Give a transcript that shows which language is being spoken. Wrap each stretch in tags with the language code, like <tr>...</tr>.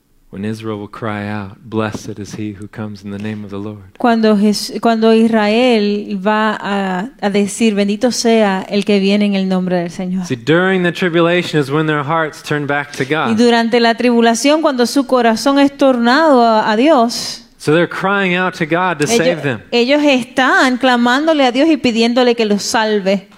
<en>When Israel will cry out, "Blessed is he who comes in the name of the Lord."</en> <es>Cuando Israel va a decir, "Bendito sea el que viene en el nombre del Señor."</es> <en>See, during the tribulation is when their hearts turn back to God.</en> <es>Y durante la tribulación, cuando su corazón es tornado a Dios.</es> <en>So they're crying out to God to save them.</en> <es>Ellos están clamándole a Dios y pidiéndole que los salve.</es>